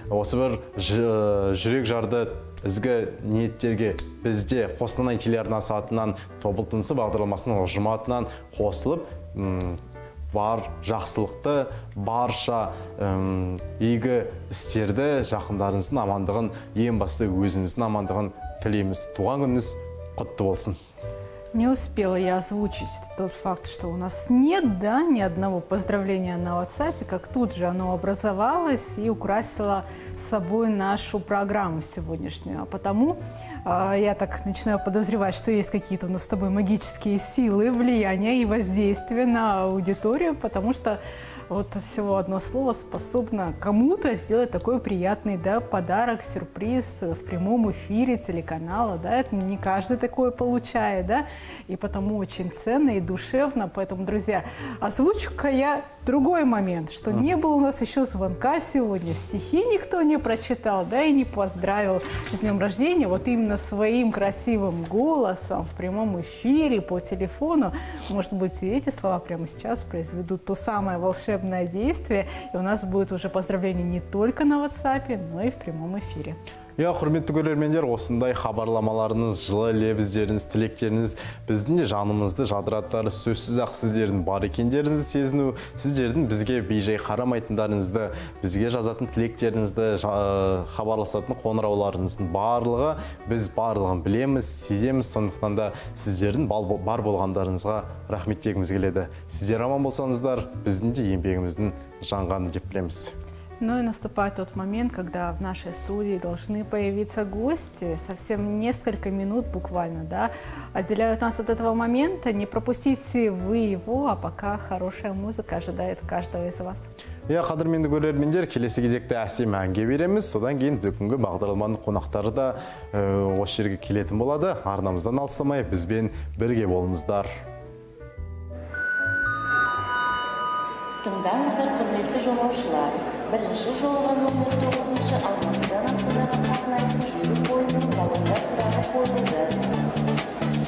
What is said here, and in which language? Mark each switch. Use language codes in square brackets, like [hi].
[kk] Осы бір жүрек жарды ізгі ниеттерге бізде Қостанай телеарнасы атынан тобылтынсы бағдарламасының ұжымы атынан қосылып, бар жақсылықты, барша игі істерді, жақындарыңыздың амандығын, ең бастысы өзіңіздің амандығын тілейміз. Туған күніңіз құтты болсын. [ru] Не успела я озвучить тот факт, что у нас нет, да, ни одного поздравления на WhatsApp, как тут же оно образовалось и украсило собой нашу программу сегодняшнюю. А потому я так начинаю подозревать, что есть какие-то у нас с тобой магические силы, влияния и воздействия на аудиторию, потому что вот всего одно слово способно кому-то сделать такой приятный, да, подарок, сюрприз в прямом эфире телеканала, да, это не каждый такое получает, да, и потому очень ценно и душевно, поэтому, друзья, озвучу-ка я другой момент, что не было у нас еще звонка сегодня, стихи никто не прочитал, да, и не поздравил с днем рождения, вот именно своим красивым голосом в прямом эфире по телефону, может быть, и эти слова прямо сейчас произведут то самое волшебное действие, и у нас будет уже поздравление не только на WhatsApp, но и в прямом эфире. [kk] Я, құрметті көрермендер, осындай хабарламаларыңыз, жылы лебіздеріңіз, тілектеріңіз, біздің де жанымызды жадыраттары сөзсіз ақ сіздердің бар екендеріңізді сезіну, сіздердің бізге бейжай қарамайтындарыңызды, бізге жазатын тілектеріңізді, хабарласатын қоңырауларыңыздың барлығы, біз барлығын білеміз, сеземіз, сондықтан да сіздердің бар болғандарыңызға рахмет дегіміз келеді. Сіздер аман болсаңыздар, біздің де еңбегіміздің жанғанын деп білеміз. [ru] Ну и наступает тот момент, когда в нашей студии должны появиться гости. Совсем несколько минут буквально, да, отделяют нас от этого момента. Не пропустите вы его, а пока хорошая музыка ожидает каждого из вас. [kk] Я, қадырменді көрермендер, келесі кезекте әсем әнге береміз. Содан кейін бүгінгі бағдарламаның қонақтары да осы жерге келетін болады. Арнамыздан алыстамай, бізбен бірге болыңыздар. Тыңдаңыздар, құрметті жолаушылар. Бірінші жолға номер 9-ші Алматыдан Астанаға қатынайтын жүйрік пойызының вагондар тұрағы қойылды.